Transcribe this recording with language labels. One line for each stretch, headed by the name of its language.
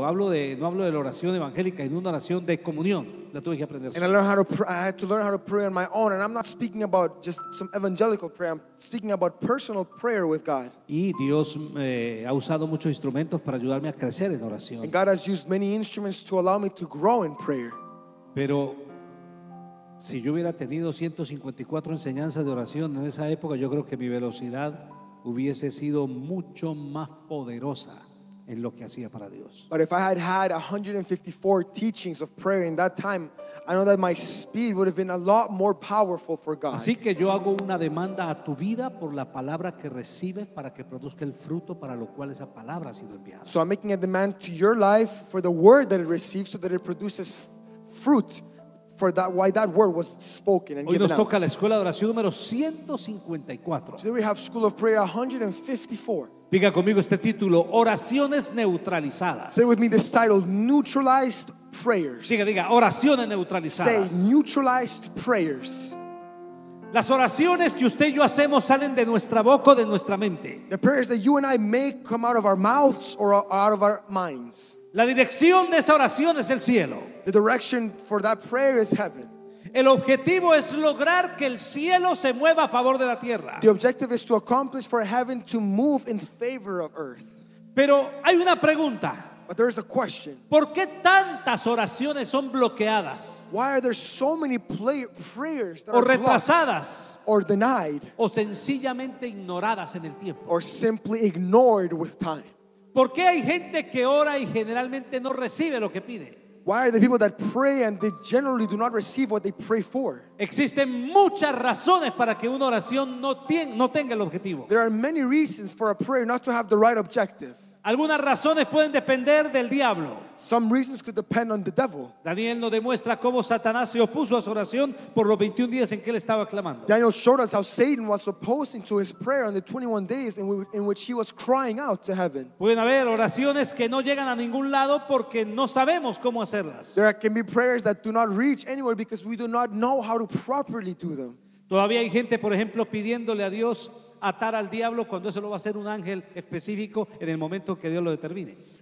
Spanish: No hablo de la oración evangélica, sino de una oración de comunión. La tuve que aprender solo.
English: And I learned how to pray. I had to learn how to pray on my own. And I'm not speaking about just some evangelical prayer. I'm speaking about personal prayer with God.
Spanish: Y Dios ha usado muchos instrumentos para ayudarme a crecer en oración.
English: And God has used many instruments to allow me to grow in prayer.
Spanish: Pero si yo hubiera tenido 154 enseñanzas de oración en esa época, yo creo que mi velocidad hubiese sido mucho más poderosa en lo que hacía para Dios.
English: But if I had had 154 teachings of prayer in that time, I know that my speed would have been a lot more powerful for God.
Spanish: Así que yo hago una demanda a tu vida por la palabra que recibes para que produzca el fruto para lo cual esa palabra ha sido enviada.
English: So I'm making a demand to your life for the word that it receives so that it produces fruit. For that, why that word was spoken and
Spanish: hoy
English: given
Spanish: nos toca
English: out.
Spanish: La escuela de oración número 154.
English: Today we have school of prayer 154.
Spanish: Diga conmigo este título: oraciones neutralizadas.
English: Say with me this title: neutralized prayers.
Spanish: Diga oraciones neutralizadas.
English: Say neutralized prayers.
Spanish: Las oraciones que usted y yo hacemos salen de nuestra boca o de nuestra mente.
English: The prayers that you and I make come out of our mouths or out of our minds.
Spanish: La dirección de esa oración es el cielo.
English: The direction for that prayer is heaven.
Spanish: El objetivo es lograr que el cielo se mueva a favor de la tierra.
English: The objective is to accomplish for heaven to move in favor of earth.
Spanish: Pero hay una pregunta.
English: But there is a question.
Spanish: ¿Por qué tantas oraciones son bloqueadas?
English: Why are there so many prayers that
Spanish: o retrasadas,
English: are blocked or denied?
Spanish: O sencillamente ignoradas en el tiempo.
English: Or simply ignored with time.
Spanish: ¿Por qué hay gente que ora y generalmente no recibe lo que pide?
English: Why are the people that pray and they generally do not receive what they pray for?
Spanish: Existen muchas razones para que una oración no tenga el objetivo.
English: There are many reasons for a prayer not to have the right objective.
Spanish: Algunas razones pueden depender del diablo.
English: Some reasons could depend on the devil.
Spanish: Daniel nos demuestra cómo Satanás se opuso a su oración por los 21 días en que él estaba clamando.
English: Daniel showed us how Satan was opposing to his prayer on the 21 days in which he was crying out to heaven.
Spanish: Pueden haber oraciones que no llegan a ningún lado porque no sabemos cómo hacerlas.
English: There can be prayers that do not reach anywhere because we do not know how to properly do them.
Spanish: Todavía hay gente, por ejemplo, pidiéndole a Dios atar al diablo cuando eso lo va a hacer un ángel específico en el momento que Dios lo determine.